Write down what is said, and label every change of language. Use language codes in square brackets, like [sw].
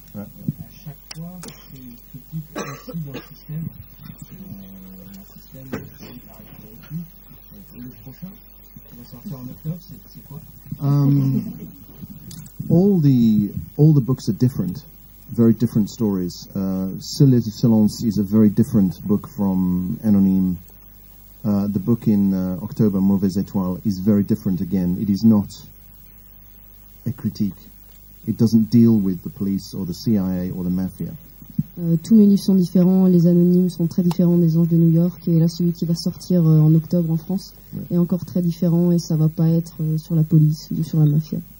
[fr] À chaque fois, c'est une critique aussi dans le système. Un système qui a été arrêté. Le prochain, qui va sortir en octobre, c'est quoi? [en] All the books are different. Very different stories. Cellule de Silence is a very different book from Anonyme. The book in October, Mauvaise Étoile, is very different again. It is not a critique. It doesn't deal with the police or the CIA or the mafia. [fr] Tous mes livres sont différents, les anonymes sont très différents des Anges de New York, et là celui qui va sortir en octobre en France est encore très différent, et ça va pas être sur la police ou sur la mafia.